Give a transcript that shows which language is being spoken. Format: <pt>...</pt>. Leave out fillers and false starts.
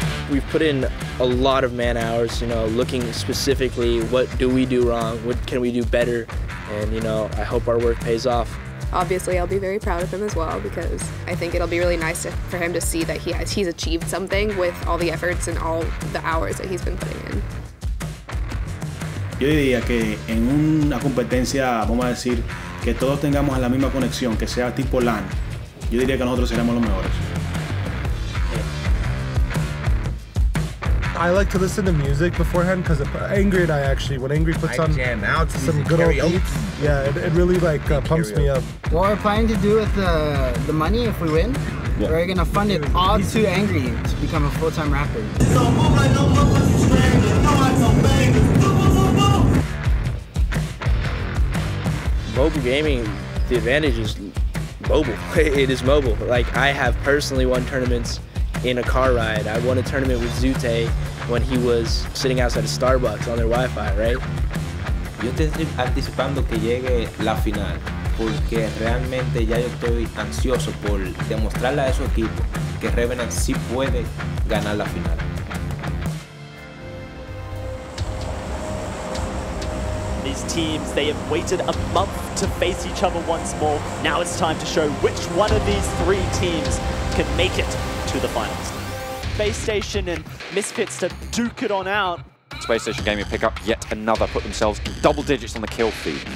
<en>We've put in a lot of man hours, you know, looking specifically what do we do wrong, what can we do better, and you know, I hope our work pays off. Obviously, I'll be very proud of him as well, because I think it'll be really nice for him to see that he's achieved something with all the efforts and all the hours that he's been putting in.</en> <es>Yo diría que en una competencia, vamos a decir, que todos tengamos la misma conexión, que sea tipo LAN, yo diría que nosotros seremos los mejores.</es> <en>I like to listen to music beforehand because Angry and I actually, when Angry puts on some good old beats, yeah, it really like pumps me up. What we're planning to do with the money if we win, yeah, we're going to fund it all to Angry to become a full-time rapper. Mobile gaming, the advantage is mobile. It is mobile. Like, I have personally won tournaments in a car ride. I won a tournament with Zute when he was sitting outside of Starbucks on their Wi-Fi, right?</en> <es>Yo estoy anticipando que llegue la final, porque realmente ya yo estoy ansioso por demostrarle a ese equipo que Revenant sí puede ganar la final.</es> <en>These teams, they have waited a month to face each other once more. Now it's time to show which one of these three teams can make it to the finals. Space Station and Misfits to duke it on out. Space Station Gaming pick up yet another, put themselves in double digits on the kill feed.</en>